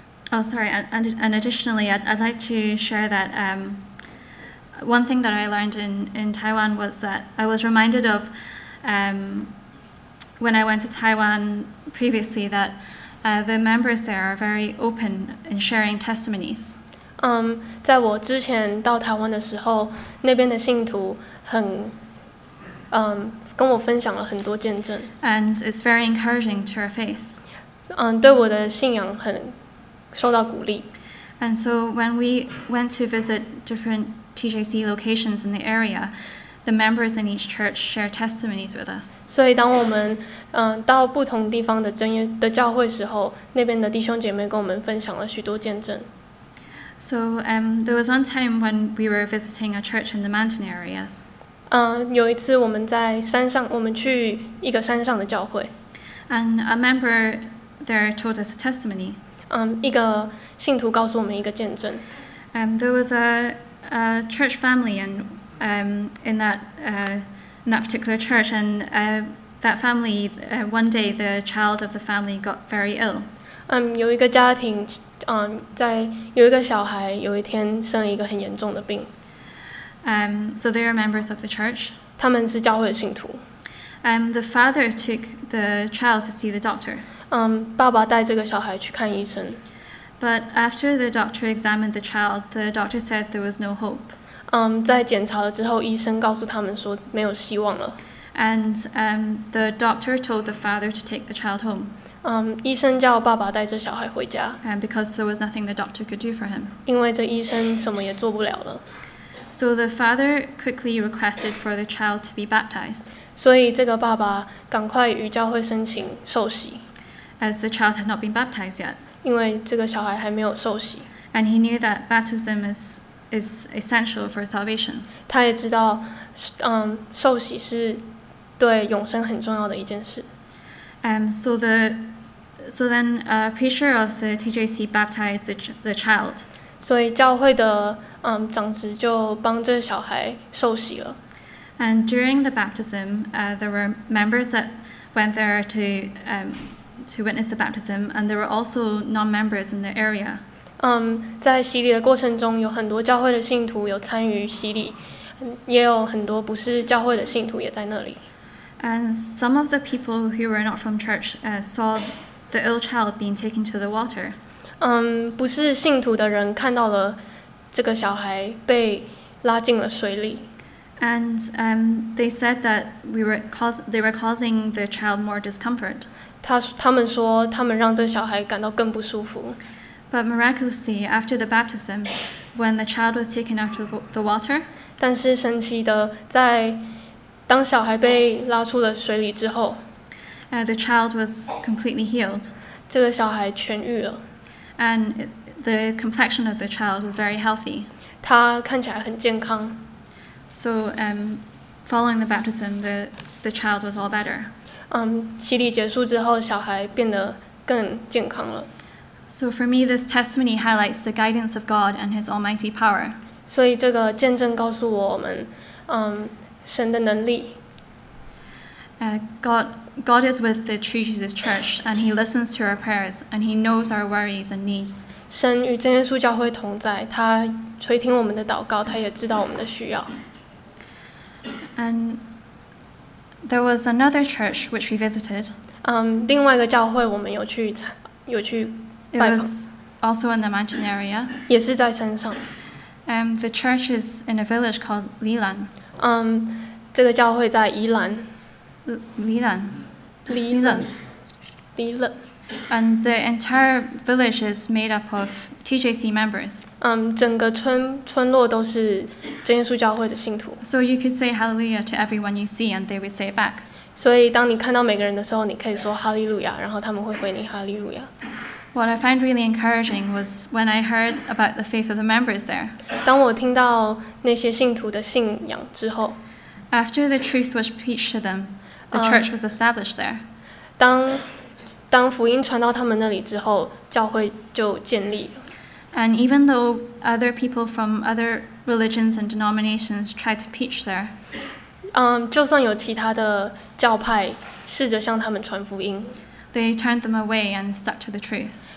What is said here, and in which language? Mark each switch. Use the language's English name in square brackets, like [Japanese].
[English] And additionally, I'd like to share that one thing that I learned in Taiwan was that I was reminded of when I went to Taiwan previously that the members there are very open in sharing testimonies. [Chinese] 在我之前到台湾的时候，那边的信徒很，跟我分享了很多见证。 [English] And it's very encouraging to our faith. [Chinese] 对我的信仰很受到鼓励。 [English] And so when we went to visit different TJC locations in the area, the members in each church shared testimonies with us. [Chinese] 所以当我们到不同地方的真耶的教会时候，那边的弟兄姐妹跟我们分享了许多见证。 [English] So there was one time when we were visiting a church in the mountain areas. [Chinese] 有一次我们在山上，我们去一个山上的教会。 [English] And a member there told us a testimony. [Chinese] 一个信徒告诉我们一个见证。 [English] There was a church family and in that particular church, and that family one day the child of the family got very ill. [Chinese] 有一个家庭。在有一个小孩有一天生了一个很严重的病。 [English] So they are members of the church. [Chinese] 他们是教会的信徒。 [English] The father took the child to see the doctor. [Chinese] 爸爸带这个小孩去看医生。 [English] But after the doctor examined the child, the doctor said there was no hope. [Chinese] 在检查了之后，医生告诉他们说没有希望了。 [English] And the doctor told the father to take the child home. [Chinese] 医生叫爸爸带着小孩回家。 [English] And because there was nothing the doctor could do for him. [Chinese] 因为这医生什么也做不了了。 [English] So the father quickly requested for the child to be baptized. [Chinese] 所以这个爸爸赶快与教会申请受洗。 [English] As the child had not been baptized yet. [Chinese] 因为这个小孩还没有受洗。 [English] And he knew that baptism is essential for salvation. [Chinese] 他也知道，受洗是对永生很重要的一件事。 [English] So then a preacher of the TJC baptized the child. [Chinese] 所以教会的长子就帮这小孩受洗了。 [English] And during the baptism, there were members that went there to witness the baptism, and there were also non-members in the area. [Chinese] 在洗礼的过程中，有很多教会的信徒有参与洗礼，也有很多不是教会的信徒也在那里。 [English] And some of the people who were not from church saw the ill child being taken to the water. [Chinese] 不是信徒的人看到了这个小孩被拉进了水里。 [English] And they said that they were causing the child more discomfort. [Chinese] 他们说他们让这小孩感到更不舒服。 [English] But miraculously, after the baptism, when the child was taken out of the water, [Chinese] 但是神奇的，在当小孩被拉出了水里之后， [English] the child was completely healed. [Chinese] 这个小孩痊愈了。 [English] And the complexion of the child was very healthy. [Chinese] 他看起来很健康。 [English] So, following the baptism, the child was all better. [Chinese] 洗礼结束之后，小孩变得更健康了。 [English] So for me, this testimony highlights the guidance of God and His almighty power. [Chinese] 所以这个见证告诉我们，神的能力。 [English] God is with the True Jesus Church, and He listens to our prayers, and He knows our worries and needs. [Chinese] 神与真耶稣教会同在，他垂听我们的祷告，他也知道我们的需要。 [English] And there was another church which we visited. [Chinese] 另外一个教会我们有去。 [English] It was also in the mountain area. [Chinese] 也是在山上。 [English] The church is in a village called Lilan. [Chinese] 这个教会在宜兰。 [English] Lilan. [Chinese] Lilan. Lilan. [English] And the entire village is made up of TJC members. [Chinese] 整个村落都是真耶稣教会的信徒。 [English] So you could say Hallelujah to everyone you see, and they would say it back. [Chinese] 所以当你看到每个人的时候，你可以说哈利路亚，然后他们会回你哈利路亚。 [English] What I found really encouraging was when I heard about the faith of the members there. [Chinese] 当我听到那些信徒的信仰之后， [English] after the truth was preached to them, the church was established there. [Chinese] 当福音传到他们那里之后，教会就建立。 [English] And even though other people from other religions and denominations tried to preach there, [Chinese] 就算有其他的教派试着向他们传福音。 [English] They turned them away and stuck to the truth.